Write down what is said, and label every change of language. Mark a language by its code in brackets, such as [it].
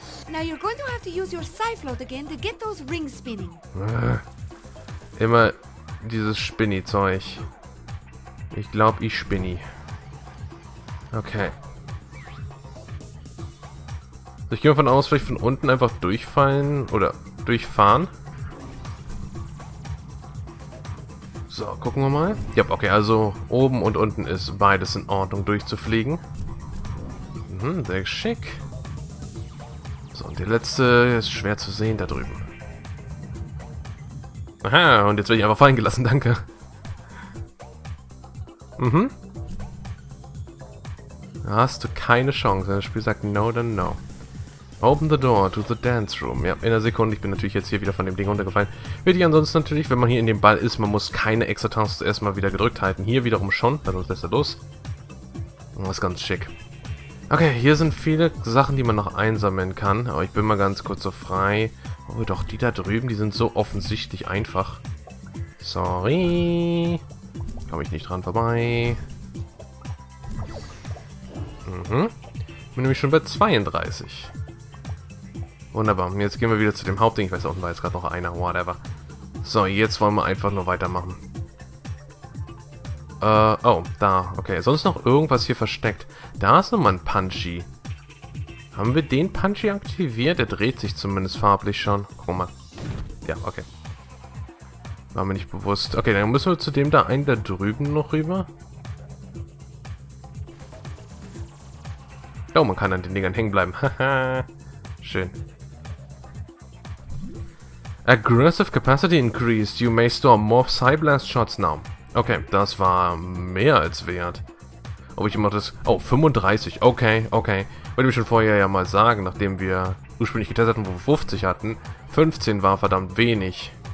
[en] Now you're going to have to use your side float again to get those rings spinning. [de] Immer dieses Spinny-Zeug. Ich glaube, ich spinny. Okay. Ich gehe davon aus, vielleicht von unten einfach durchfallen oder durchfahren. So, gucken wir mal. Ja, okay, also oben und unten ist beides in Ordnung durchzufliegen. Mhm, sehr schick. So, und der letzte ist schwer zu sehen da drüben. Aha, und jetzt werde ich einfach fallen gelassen, danke. Mhm. Da hast du keine Chance, wenn das Spiel sagt no, dann no. [en] Open the door to the dance room. [de] Ja, in einer Sekunde, ich bin natürlich jetzt hier wieder von dem Ding runtergefallen. Würde ich ansonsten natürlich, wenn man hier in dem Ball ist, man muss keine extra Taste erstmal wieder gedrückt halten. Hier wiederum schon, dann lässt er los. Das ist ganz schick. Okay, hier sind viele Sachen, die man noch einsammeln kann. Aber ich bin mal ganz kurz so frei. Oh doch, die da drüben, die sind so offensichtlich einfach. Sorry. Komme ich nicht dran vorbei. Mhm. Bin nämlich schon bei 32. Wunderbar. Jetzt gehen wir wieder zu dem Hauptding. Ich weiß, unten war jetzt gerade noch einer. Whatever. So, jetzt wollen wir einfach nur weitermachen. Oh, da. Okay, sonst noch irgendwas hier versteckt. Da ist nochmal ein Punchy. Haben wir den Punchy aktiviert? Der dreht sich zumindest farblich schon. Guck mal. Ja, okay. War mir nicht bewusst. Okay, dann müssen wir zu dem da einen da drüben noch rüber. Oh, man kann an den Dingern hängen bleiben. Haha. Schön. [en] Aggressive Capacity increased. You may store more Psy Blast Shots now. [de] Okay, das war mehr als wert. Ob ich immer das... Oh, 35. Okay, okay. Wollte ich schon vorher ja mal sagen, nachdem wir ursprünglich getestet hatten, wo wir 50 hatten. 15 war verdammt wenig.